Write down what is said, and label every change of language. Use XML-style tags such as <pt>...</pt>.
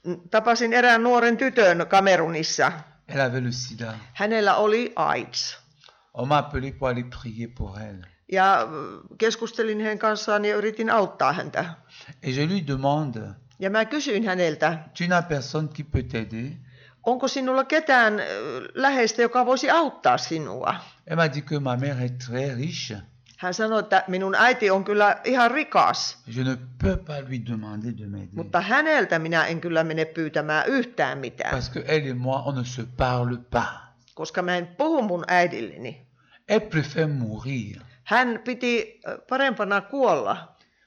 <fi>Tapasin erään nuoren tytön Kamerunissa.</fi> <fr>Elle avait le sida.</fr> <fi>Hänellä oli AIDS.</fi> <fr>On m'a appelé pour aller prier pour elle.</fr> <fi>Ja keskustelin hänen kanssaan ja yritin auttaa häntä.</fi> <fr>Et je lui demande.</fr> <fi>Ja mä kysyin häneltä.</fi> <fr>Tu n'as personne qui peut t'aider?</fr> <fi>Onko sinulla ketään läheistä, joka voisi auttaa sinua?</fi> <fr>Elle m'a dit que ma mère est très riche.</fr> <fi>Hän sanoi, että minun äiti on kyllä ihan rikas.</fi> <fr>Je ne peux pas lui demander de m'aider.</fr> <fi>Mutta häneltä minä en kyllä mene pyytämään yhtään mitään.</fi> <fr>Parce que elle et moi, on ne se parle pas.</fr> <fi>Koska mä en puhu mun äidilleni.</fi> <fr>Elle préfère mourir.</fr> <fi>Hän piti parempana kuolla.</fi>